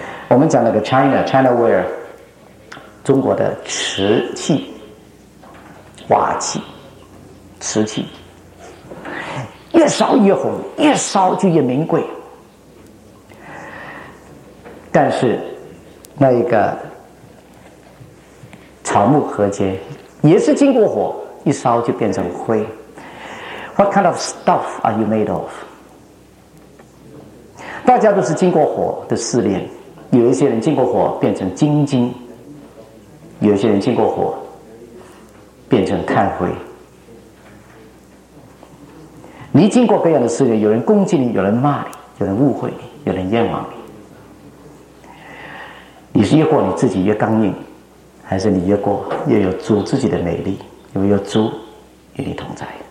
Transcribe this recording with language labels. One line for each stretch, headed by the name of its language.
Chinese: 我们讲那个 Chinaware 中国的瓷器，瓦器，瓷器越烧越红，越烧就越名贵，但是那一个草木和秸也是经过火一烧就变成灰。
English: What kind of stuff are you made of?
Chinese: 大家都是经过火的试炼，有一些人经过火变成金晶，有一些人经过火变成炭灰。你经过各样的试炼，有人攻击你，有人骂你，有人误会你，有人冤枉你，你是越过你自己越刚硬，还是你越过越有主自己的美丽，因为有主与你同在。